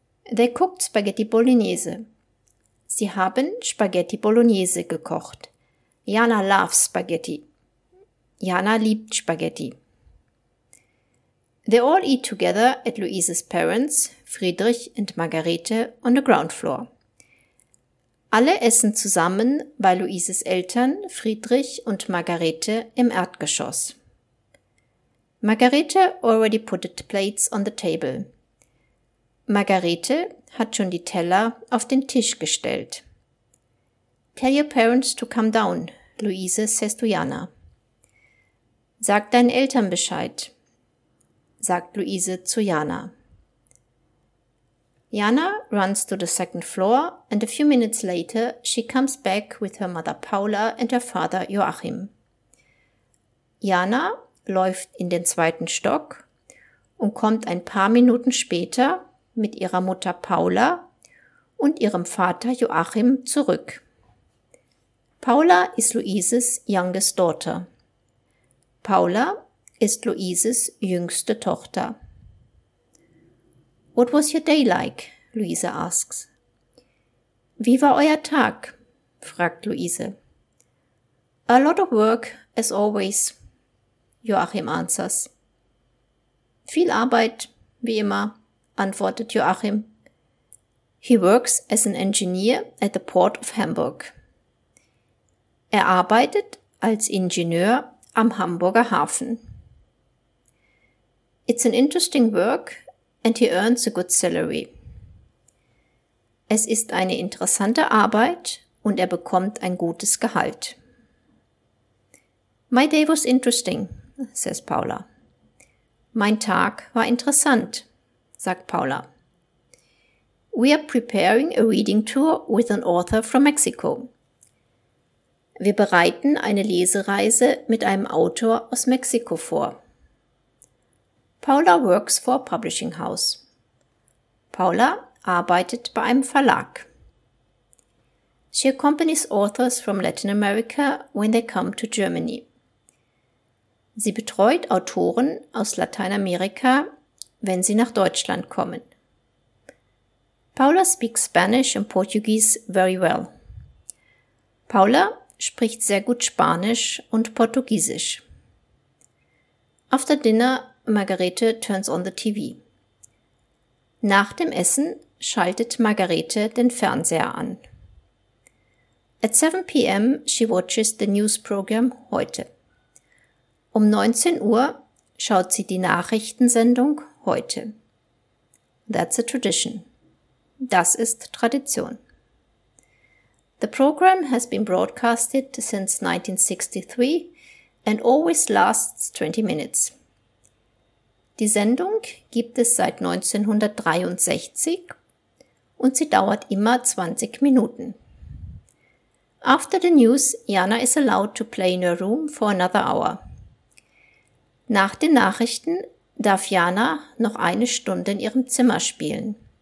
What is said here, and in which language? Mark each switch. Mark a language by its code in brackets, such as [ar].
[en] They cooked Spaghetti Bolognese. [de] Sie haben Spaghetti Bolognese gekocht. [en] Jana loves spaghetti. [de] Jana liebt Spaghetti. [en] They all eat together at Luises parents, Friedrich and Margarete, on the ground floor. [de] Alle essen zusammen bei Luises Eltern, Friedrich und Margarete, im Erdgeschoss. [en] Margarete already put the plates on the table. [de] Margarete hat schon die Teller auf den Tisch gestellt. [en] Tell your parents to come down. Luise says to Jana. [de] Sag deinen Eltern Bescheid, sagt Luise zu Jana. [en] Jana runs to the second floor and a few minutes later she comes back with her mother Paula and her father Joachim. [de] Jana läuft in den zweiten Stock und kommt ein paar Minuten später mit ihrer Mutter Paula und ihrem Vater Joachim zurück. Paula ist Luises [en] youngest daughter. [de] Paula ist Luises jüngste Tochter. [en] What was your day like? Luise asks. [de] Wie war euer Tag? Fragt Luise. [en] A lot of work, as always, Joachim answers. [de] Viel Arbeit, wie immer, antwortet Joachim. [en] He works as an engineer at the port of Hamburg. [de] Er arbeitet als Ingenieur am Hamburger Hafen. [en] It's an interesting work and he earns a good salary. [de] Es ist eine interessante Arbeit und er bekommt ein gutes Gehalt. [en] My day was interesting, says Paula. [de] Mein Tag war interessant, sagt Paula. [en] We are preparing a reading tour with an author from Mexico. [de] Wir bereiten eine Lesereise mit einem Autor aus Mexiko vor. [en] Paula works for a publishing house. [de] Paula arbeitet bei einem Verlag. [en] She accompanies authors from Latin America when they come to Germany. [de] Sie betreut Autoren aus Lateinamerika, wenn sie nach Deutschland kommen. [en] Paula speaks Spanish and Portuguese very well. [de] Paula spricht sehr gut Spanisch und Portugiesisch. [en] After dinner, Margarete turns on the TV. [de] Nach dem Essen schaltet Margarete den Fernseher an. [en] At 7 p.m. she watches the news program heute. [de] Um 19 Uhr schaut sie die Nachrichtensendung heute. [en] That's a tradition. [de] Das ist Tradition. [en] The program has been broadcasted since 1963 and always lasts 20 minutes. [de] Die Sendung gibt es seit 1963 und sie dauert immer 20 Minuten. [en] After the news, Jana is allowed to play in her room for another hour. [de] Nach den Nachrichten darf Jana noch eine Stunde in ihrem Zimmer spielen.